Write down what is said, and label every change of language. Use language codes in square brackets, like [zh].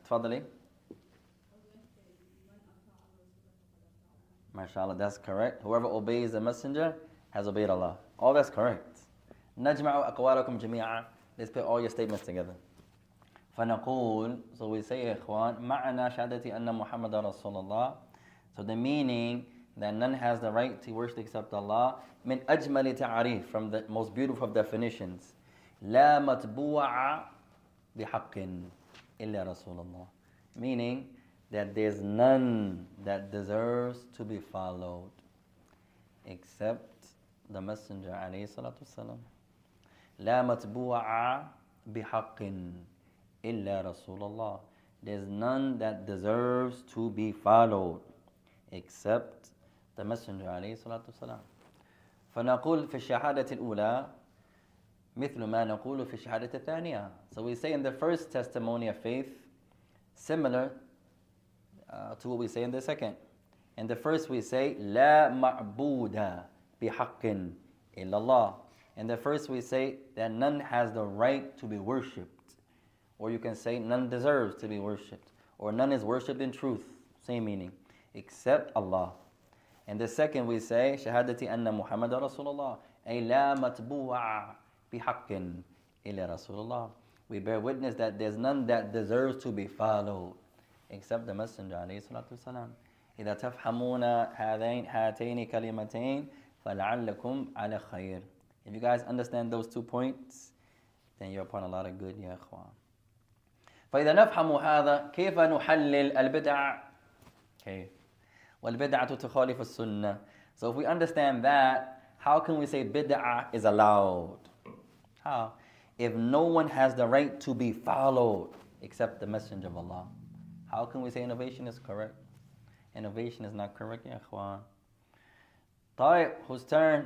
[ar] تفضلي. [en] MashaAllah, that's correct. Whoever obeys the messenger has obeyed Allah. All that's correct. [ar] نجمعوا أقوالكم جميعا. [en] Let's put all your statements together. [ar] فنقول. [en] So we say, [ar] يا إخوان. معنا شهادتي أن محمد رسول الله. [en] So the meaning that none has the right to worship except Allah. [ar] من أجمل تعريف, [en] from the most beautiful of definitions. [ar] لا متبوع بحق إلا رسول الله. [en] Meaning that there's none that deserves to be followed except the Messenger [ar] عليه الصلاة والسلام. لا متبوع بحق إلا رسول الله. [en] There's none that deserves to be followed except the Messenger [ar] عليه الصلاة والسلام. فنقول في الشهادة الأولى مثل ما نقول في الشهادة الثانية. [en] So we say in the first testimony of faith, similar to what we say in the second. In the first we say [ar] لا معبود بحق إلا الله. [en] In the first we say that none has the right to be worshipped. Or you can say none deserves to be worshipped. Or none is worshipped in truth. Same meaning. Except Allah. And the second we say, [ar] شهادتي أن محمد رسول الله أي لا متبوع بحق إلا رسول الله. [en] We bear witness that there's none that deserves to be followed except the Messenger [ar] عليه الصلاة والسلام. إذا تفهمون هاتين كلمتين فلعلكم على خير. [en] If you guys understand those two points, then you're upon a lot of good, [ar] يا إخوان. [en] فإذا نفهم هذا كيف نحلل البدع. Okay. [ar] وَالْبِدْعَةُ تُخَالِفُ السُّنَّةِ. [en] So if we understand that, how can we say bid'ah is allowed? How? If no one has the right to be followed except the Messenger of Allah, how can we say innovation is correct? Innovation is not correct, [ar] يا إخوان. طيب, [en] whose turn?